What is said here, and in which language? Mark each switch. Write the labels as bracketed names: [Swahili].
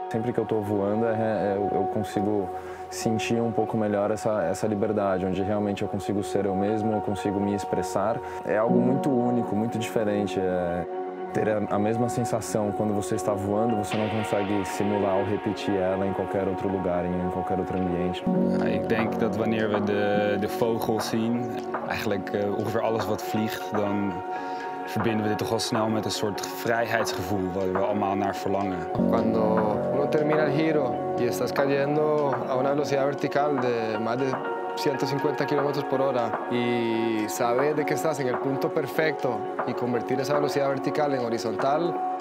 [Portuguese] Sempre que eu tô voando, eu consigo sentir um pouco melhor essa liberdade, onde realmente eu consigo ser eu mesmo, eu consigo me expressar. É algo muito único, muito diferente. Ter a mesma sensação quando você está voando, você não consegue simular ou repetir ela em qualquer outro lugar, em qualquer outro ambiente. [Dutch] Ik denk dat wanneer we de vogels zien, eigenlijk ongeveer alles wat vliegt, dan verbinden we dit toch al snel met een soort vrijheidsgevoel waar we allemaal naar verlangen. [Spanish] Cuando uno termina el giro y estás cayendo a una velocidad vertical de más de 150 kilómetros por hora y sabes de que estás en el punto perfecto y convertir esa velocidad vertical en horizontal.